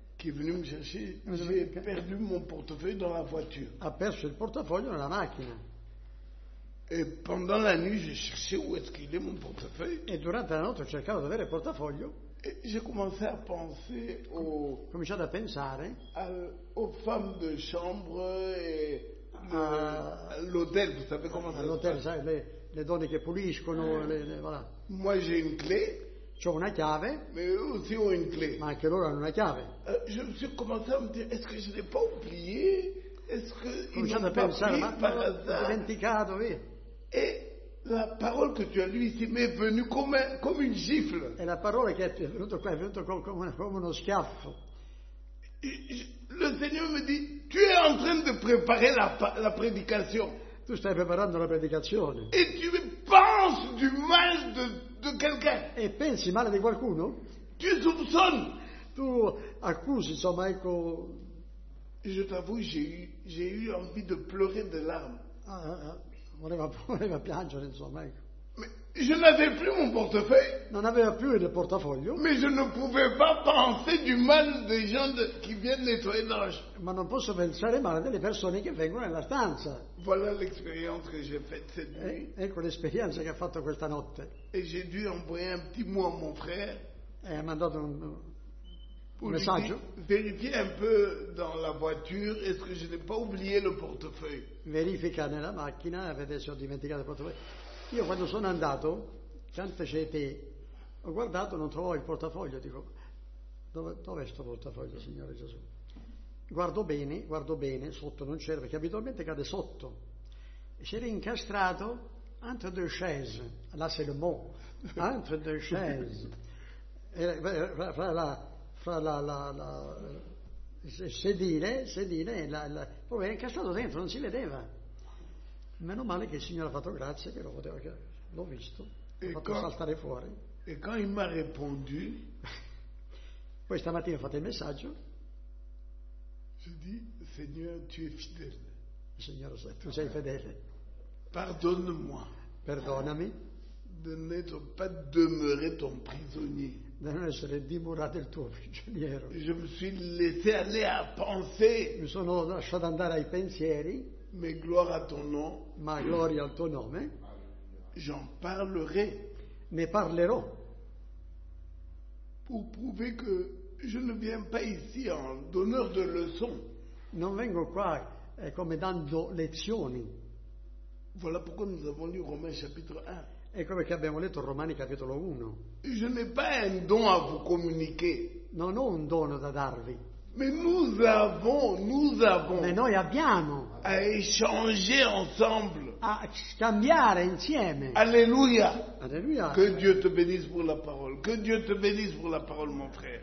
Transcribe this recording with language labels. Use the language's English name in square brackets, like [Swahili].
[French] Qui est venu me chercher. J'ai perdu mon portefeuille dans la voiture. [Italian] Ha perso il portafoglio nella macchina. [French] Et pendant la nuit, j'ai cherché où est-ce qu'il est mon portefeuille. [Italian] E durante la notte ho cercato di avere il portafoglio. [French] J'ai commencé à penser [Italian] cominciato a pensare [French] aux femmes de chambre et l'hôtel, vous savez comment ça [Italian] l'hôtel, ça, le donne che puliscono, voilà. [French] Moi j'ai une clé. [Italian] C'ho una chiave. [French] Mais eux aussi ont une clé. [Italian] Ma anche loro hanno una chiave. [French] Je me suis commencé à me dire, est-ce que je n'ai pas oublié? Est-ce que [Italian] cominciato a pensare, ma l'ho dimenticato, via. E la parola che tu [French] as lu ici m'est venue [Italian] come, come [French] une gifle. [Italian] E la parola che è venuta qua è venuta come, come uno schiaffo. [French] Le Seigneur me dit, tu es en train de préparer la, la prédication. [Italian] Tu stai preparando la predicazione. [French] E tu penses du mal de quelqu'un. [Italian] E pensi male di qualcuno? [French] Tu soupçonnes. [Italian] Tu accusi, insomma, ecco. [French] Je t'avoue, j'ai eu envie de pleurer de larmes. [Italian] Voleva piangere, insomma, ecco. [French] Mais je n'avais plus mon portefeuille. [Italian] Non aveva più il portafoglio. [French] Mais je ne pouvais pas penser du mal des gens de, qui viennent nettoyer l'ange. [Italian] Ma non posso pensare male delle persone che vengono nella stanza. [French] Voilà l'expérience que j'ai faite cette nuit. [Italian] Ecco l'esperienza che ha fatto questa notte. [French] Et j'ai dû envoyer un petit mot à mon frère. [Italian] E ha mandato un messaggio. [French] Vérifie un peu dans la voiture, est-ce que je n'ai pas oublié le portefeuille? [Italian] Verifica nella macchina a vedere se ho dimenticato il portafoglio. Io quando sono andato, tante cete, ho guardato, non trovavo il portafoglio, dico, dove è sto portafoglio, Signore Gesù? Guardo bene, sotto non c'era, perché abitualmente cade sotto. Si era incastrato [French] entre deux chaises, là c'est le mot, entre deux chaises, [Italian] fra la sedile, poi era incastrato dentro, non si vedeva. Meno male che il Signore ha fatto grazie, che lo poteva, che l'ho visto, e ho fatto quando, saltare fuori. E quando mi ha risposto, poi stamattina ho fatto il messaggio. [French] Je dis, Seigneur, tu es fidèle. [Italian] Il Signore sa, tu sei fedele. [French] Pardonne-moi. [Italian] Perdonami. [French] De n'être pas demeuré ton prisonnier. [Italian] Di non essere dimorato il tuo prigioniero. [French] Je me suis laissé aller à penser. [Italian] Mi sono lasciato andare ai pensieri. [French] Mais gloire à ton nom. [Italian] Ma gloria al tuo nome. [French] J'en parlerai. [Italian] Ne parlerò. [French] Pour prouver que je ne viens pas ici en donneur de leçons. [Italian] Non vengo qua come dando lezioni. [French] Voilà pourquoi nous avons lu Romains chapitre 1. [Italian] Ecco perché abbiamo letto Romani capitolo 1. [French] Je n'ai pas un don à vous communiquer. [Italian] Non ho un dono da darvi. [French] Mais nous avons [Italian] mais noi abbiamo [French] à échanger ensemble. [Italian] A scambiare insieme. [French] Alléluia. Alléluia. Que Dieu te bénisse pour la parole. Que Dieu te bénisse pour la parole, mon frère.